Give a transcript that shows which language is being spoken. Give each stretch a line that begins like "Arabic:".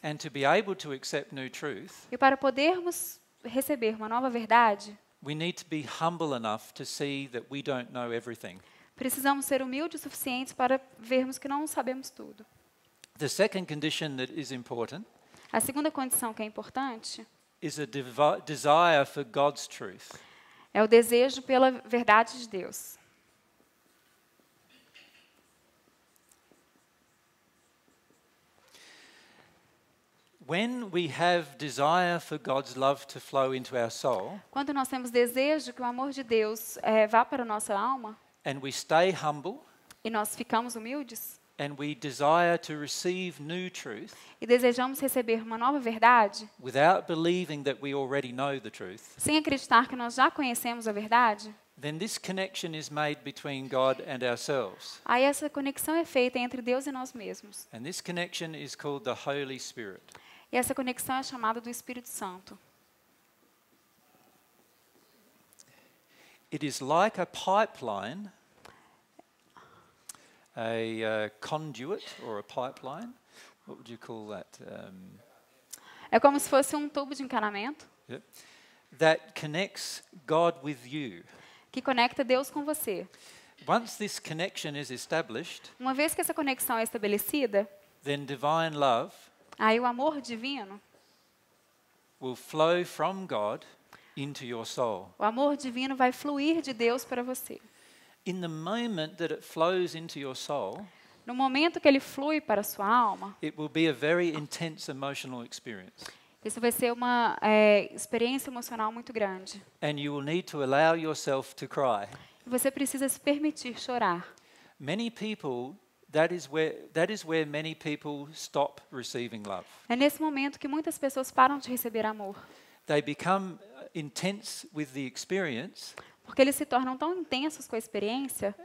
English: And to be able to accept new truth.
Portuguese: E para podermos receber uma nova verdade.
English: We need to be humble enough to see that we don't know everything.
Portuguese: Precisamos ser humildes o suficiente para vermos que não sabemos tudo.
English: The second condition that is important.
Portuguese: A segunda condição que é importante.
English: Is a desire for God's truth.
Portuguese: É o desejo pela verdade de Deus.
English: When we have desire for God's love to flow into our soul,
Portuguese: quando nós temos desejo que o amor de Deus vá para a nossa alma,
English: and we stay humble,
Portuguese: e nós ficamos humildes,
English: and we desire to receive new truth,
Portuguese: e desejamos receber uma nova verdade,
English: without believing that we already know the truth,
Portuguese: sem acreditar que nós já conhecemos a verdade,
English: then this connection is made between God and ourselves.
Portuguese: Aí essa conexão é feita entre Deus e nós mesmos.
English: And this connection is called the Holy Spirit.
Portuguese: E essa conexão é chamada do Espírito Santo.
English: It is like a pipeline, a conduit or a pipeline. What would you call that?
Portuguese: É como se fosse um tubo de encanamento.
English: Yep. That connects God with you.
Portuguese: Que conecta Deus com você.
English: Once this connection is established,
Portuguese: uma vez que essa conexão é estabelecida,
English: then divine love,
Portuguese: aí o amor divino,
English: will flow from God into your soul.
Portuguese: O amor divino vai fluir de Deus para você.
English: In the moment that it flows into your soul,
Portuguese: no momento que ele flui para a sua alma,
English: it will be a very intense emotional experience.
Portuguese: Isso vai ser uma experiência emocional muito grande.
English: And you will need to allow yourself to cry.
Portuguese: Você precisa se permitir chorar.
English: Many people, that is where many people stop receiving love.
Portuguese: É nesse momento que muitas pessoas param de receber amor.
English: They become intense with the experience.
Portuguese: Porque eles se tornam tão intensos com a experiência.